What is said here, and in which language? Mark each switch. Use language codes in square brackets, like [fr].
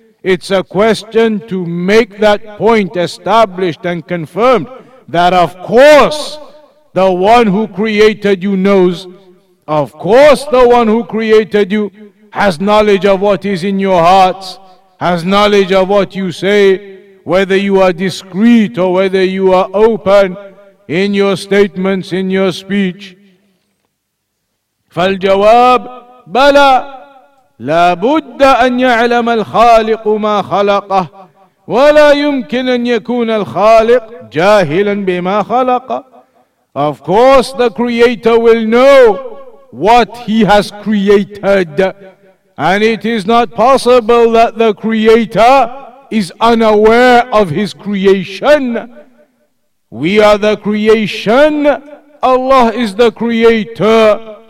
[en] It's a question to make that point established and confirmed that of course the one who created you knows. Of course the one who created you has knowledge of what is in your hearts, has knowledge of what you say, whether you are discreet or whether you are open in your statements, in your speech. [ar] فالجواب بلى لابد أن يعلم الخالق ما خلقه ولا يمكن أن يكون الخالق جاهلا بما خلقه. [en] Of course the creator will know what he has created. And it is not possible that the creator is unaware of his creation. We are the creation. Allah is the creator.